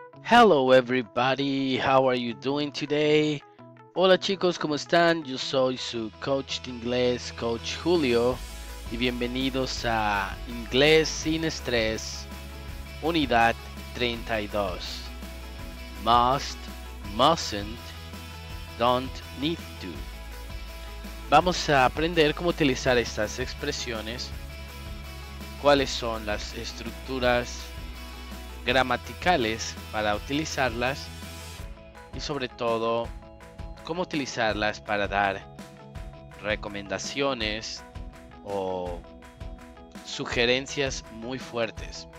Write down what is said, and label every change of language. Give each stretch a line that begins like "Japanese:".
English: Hello everybody, how are you doing today?
Spanish: Hola chicos, ¿cómo están? Yo soy su coach de inglés, Coach Julio, y bienvenidos a Inglés sin estrés, unidad 32.
English: Must, mustn't, don't need to.
Spanish: Vamos a aprender cómo utilizar estas expresiones, cuáles son las estructuras gramaticales para utilizarlas y sobre todo cómo utilizarlas para dar recomendaciones o sugerencias muy fuertes.